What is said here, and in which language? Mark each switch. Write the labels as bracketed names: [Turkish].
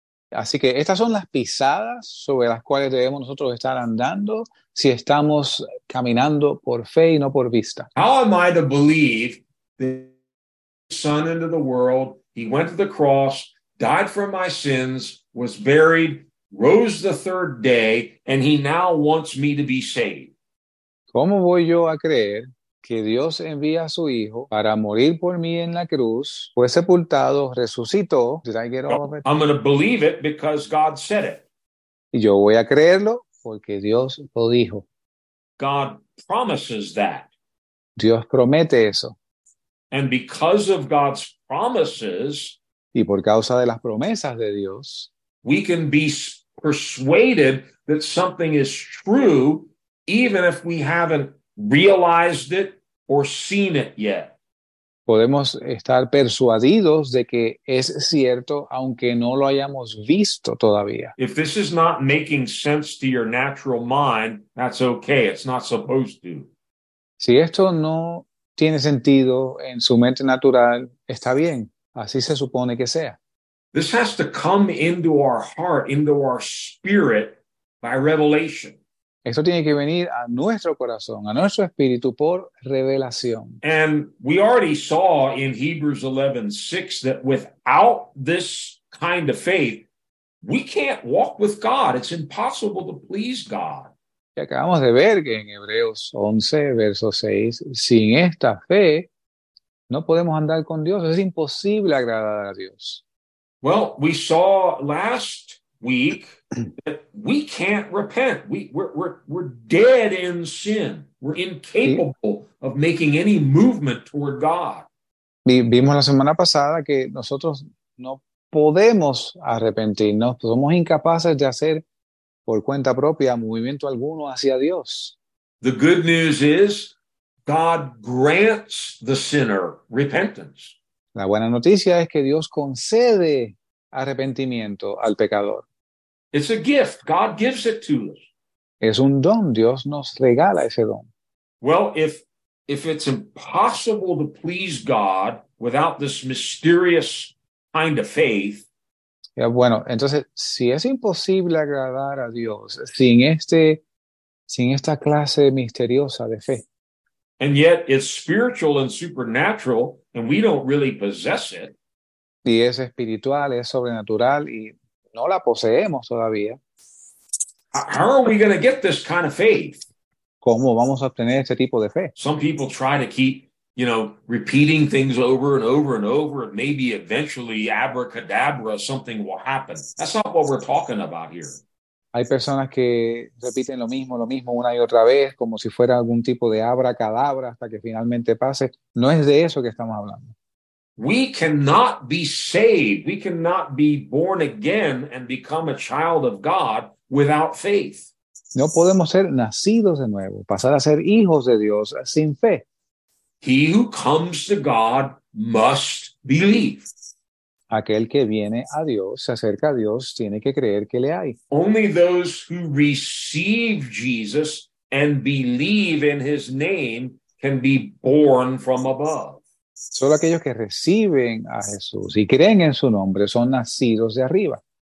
[Spanish] Así que estas son las pisadas sobre las cuales debemos nosotros estar andando si estamos caminando por fe y no por vista. [English] How am I to believe that the Son into the world, he went to the cross, died for my sins, was buried, rose the third day, and he now wants me to be saved? [Spanish] ¿Cómo voy yo a creer que Dios envía a su Hijo para morir por mí en la cruz, fue sepultado, resucitó? [English] Did I get all of it? I'm going to believe it because God said it. [Spanish] Y yo voy a creerlo porque Dios lo dijo. [English] God promises that. [Spanish] Dios promete eso. [English] And because of God's promises, [Spanish] y por causa de las promesas de Dios, [English] we can be persuaded that something is true even if we haven't realized it or seen it yet. [Spanish] Podemos estar persuadidos de que es cierto aunque no lo hayamos visto todavía. [English] If this is not making sense to your natural mind, that's okay. It's not supposed to. [Spanish] Si esto no tiene sentido en su mente natural, está bien. Así se supone que sea. [English] This has to come into our heart, into our spirit by revelation. [Spanish] Esto tiene que venir a nuestro corazón, a nuestro espíritu, por revelación. [English] And we already saw in Hebrews 11:6 that without this kind of faith, we can't walk with God. It's impossible to please God. [Spanish] Y acabamos de ver que en Hebreos 11, verso 6, sin esta fe, no podemos andar con Dios. Es imposible agradar a Dios. [English] Well, we saw last week, that we can't repent. We're dead in sin. We're incapable of making any movement toward God. [Spanish] Vimos la semana pasada que nosotros no podemos arrepentirnos. Somos incapaces de hacer por cuenta propia movimiento alguno hacia Dios. [English] The good news is God grants the sinner repentance. [Spanish] La buena noticia es que Dios concede arrepentimiento al pecador. [English] It's a gift. God gives it to us. [Spanish] Es un don. Dios nos regala ese don. [English] Well, if it's impossible to please God without this mysterious kind of faith. [Spanish] Yeah, bueno, entonces, si es imposible agradar a Dios sin esta clase misteriosa de fe. [English] And yet it's spiritual and supernatural and we don't really possess it. [Spanish] Y es espiritual, es sobrenatural y no la poseemos todavía. [English] How are we going to get this kind of faith? [Spanish] ¿Cómo vamos a obtener este tipo de fe? [English] Some people try to keep, you know, repeating things over and over and over, and maybe eventually, abracadabra, something will happen. That's not what we're talking about here. [Spanish] Hay personas que repiten lo mismo una y otra vez, como si fuera algún tipo de abracadabra hasta que finalmente pase. No es de eso que estamos hablando. [English] We cannot be saved. We cannot be born again and become a child of God without faith. [Spanish] No podemos ser nacidos de nuevo, pasar a ser hijos de Dios sin fe. [English] He who comes to God must believe. [Spanish] Aquel que viene a Dios, se acerca a Dios, tiene que creer que le hay. [English] Only those who receive Jesus and believe in his name can be born from above. [Spanish] Solo aquellos que reciben a Jesús y creen en su nombre son nacidos de arriba.